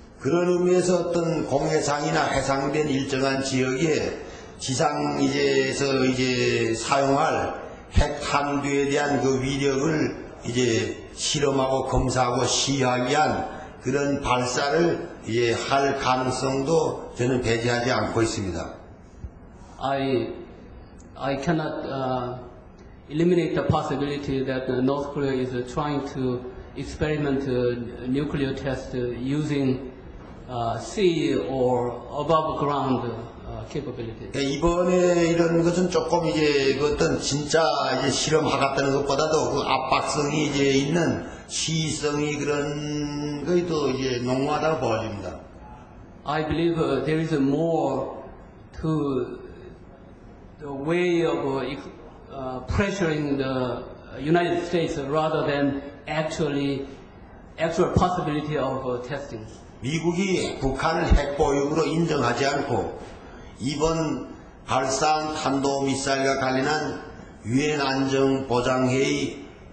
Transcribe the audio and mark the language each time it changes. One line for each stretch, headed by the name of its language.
Korean: 그런 의미에서 어떤 공해상이나 해상된 일정한 지역에 지상에서 이제 사용할 핵탄두에 대한 그 위력을 이제 실험하고 검사하고 시위하기 위한 그런 발사를 이제 할 가능성도 저는 배제하지 않고 있습니다.
English: I cannot eliminate the possibility that North Korea is trying to experiment nuclear test using sea or above ground capability.
Korean: 이번에 이런 것은 조금 이제 어떤 진짜 이제 실험하겠다는 것보다도 그 압박성이 이제 있는 시위성이 그런 것이 또 이제 농후하다고 보여집니다.
English: I believe there is more to the way of pressuring the United States rather than actual possibility of testing.
Korean: 미국이 북한을 핵 보유국으로 인정하지 않고 이번 발사한 탄도미사일과 관련한 유엔 안전보장회의